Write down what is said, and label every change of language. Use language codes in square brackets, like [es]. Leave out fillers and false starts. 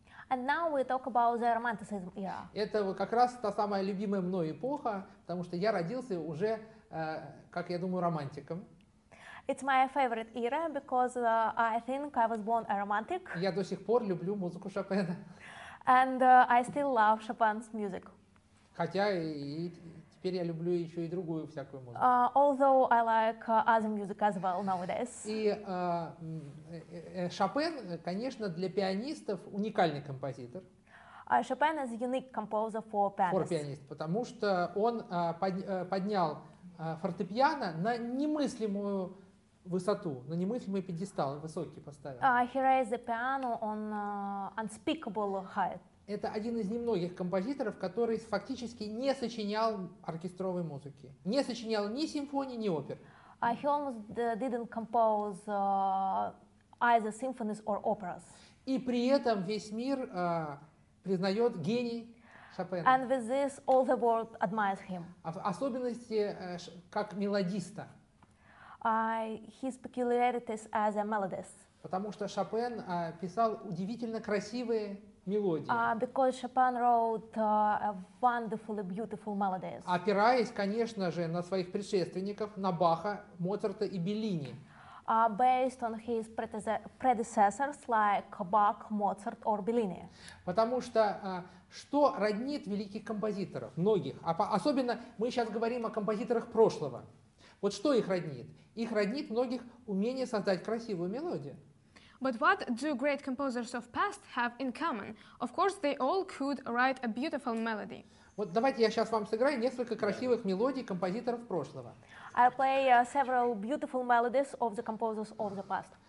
[en] And now we talk about the Romanticism era. [ru] Это как раз та самая любимая мной эпоха, потому что я родился уже как я думаю, романтиком. [en] It's my favorite era because I think I was born a romantic. [ru] Я до сих пор люблю музыку Шопена. [en] And I still love Chopin's music. [ru] Хотя и теперь я люблю еще и другую всякую музыку. [en] Although I like other music as well nowadays. [ru] И Шопен, конечно, для пианистов уникальный композитор. [en] Chopin is a unique composer for pianists. For pianist, [ru] потому что он поднял фортепиано на немыслимую высоту, на немыслимый пьедестал, высокий поставил. [en] He raised the piano on unspeakable height. [ru] Это один из немногих композиторов, который фактически не сочинял оркестровой музыки. Не сочинял ни симфонии, ни опер. [en] He almost didn't compose either symphonies or operas. [ru] И при этом весь мир признает гений Шопена. [en] And with this, all the world admires him. [ru] Особенности как мелодиста. [en] His peculiarities as a melodist. [ru] Потому что Шопен писал удивительно красивые мелодии. [en] Because Chopin wrote wonderfully beautiful melodies. [ru] Опираясь, конечно же, на своих предшественников, на Баха, Моцарта и Беллини. [en] Based on his predecessors like Bach, Mozart or Bellini. [ru] Потому что что роднит великих композиторов, многих, особенно мы сейчас говорим о композиторах прошлого. Вот что их роднит? Их роднит многих умение создать красивую мелодию. [en] But what do great composers of past have in common? Of course, they all could write a beautiful melody. [ru] Вот давайте я сейчас вам сыграю несколько красивых мелодий композиторов прошлого. [en] I play several beautiful melodies of the composers of the past.